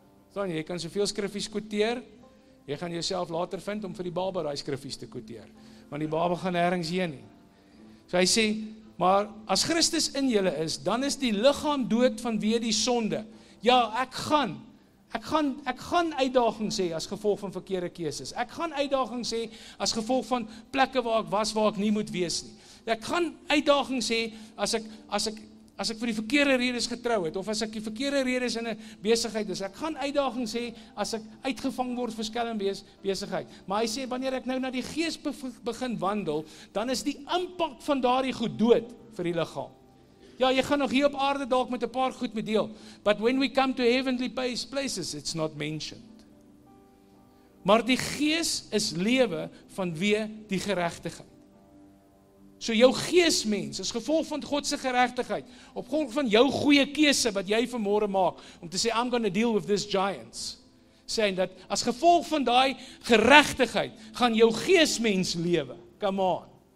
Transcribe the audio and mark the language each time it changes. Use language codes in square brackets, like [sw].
[af] Sonny, jy kan soveel skriffies kwoteer, jy gaan jouself later vind om vir die baba daai skriffies te kwoteer, want die baba gaan nêrens heen nie. So hy sê, maar as Christus in julle is, dan is die liggaam dood vanweë die sonde. Ja, ek gaan uitdagings hê as gevolg van verkeerde keuses. Ek gaan uitdagings hê as gevolg van plekke waar ek was waar ek nie moet wees nie. Ek gaan uitdagings hê as ek vir die verkeerde redes getrou het, of as ek die verkeerde redes in 'n besigheid is, ek gaan uitdagings hê as ek uitgevang word vir skelm besigheid. Maar hy sê, wanneer ek nou na die gees begin wandel, dan is die impak van daardie goed dood vir die liggaam. Ja, jy gaan nog hier op aarde dalk met 'n paar goed meedeel. [en] But when we come to heavenly places, it's not mentioned. [af] Maar die gees is lewe vanweë die geregtigheid. So jou geesmens is gevolg van God se geregtigheid. Op grond van jou goeie keuse wat jy vanmôre maak om te sê [en] I'm going to deal with these giants. Saying that [af] as gevolg van daai geregtigheid gaan jou geesmens lewe. [en] Come on.